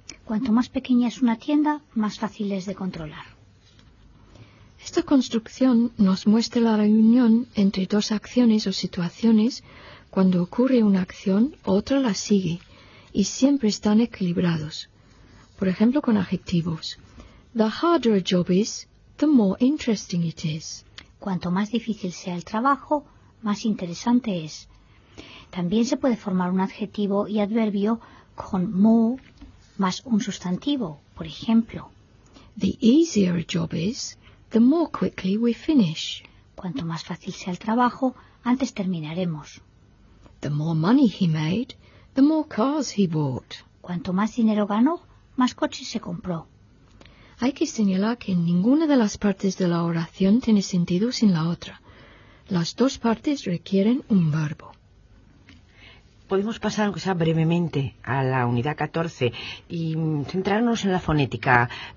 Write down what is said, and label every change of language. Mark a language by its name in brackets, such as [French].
[Spanish] Cuanto más pequeña es una tienda, más fácil es de controlar. Esta construcción nos muestra la reunión entre dos acciones o situaciones. Cuando ocurre una acción, otra la sigue, y siempre están equilibrados. Por ejemplo, con adjetivos. [English] The harder a job is, the more interesting it is. [Spanish] Cuanto más difícil sea el trabajo, más interesante es. También se puede formar un adjetivo y adverbio con more más un sustantivo. Por ejemplo, [English] the easier a job is, the more quickly we finish. [Spanish] Cuanto más fácil sea el trabajo, antes terminaremos. [English] The more money he made, the more cars he bought. [Spanish] Cuanto más dinero ganó, más coches se compró. Hay que señalar que ninguna de las partes de la oración tiene sentido sin la otra. Las dos partes requieren un verbo. Podemos pasar, aunque sea brevemente, a la unidad 14 y centrarnos en la fonética.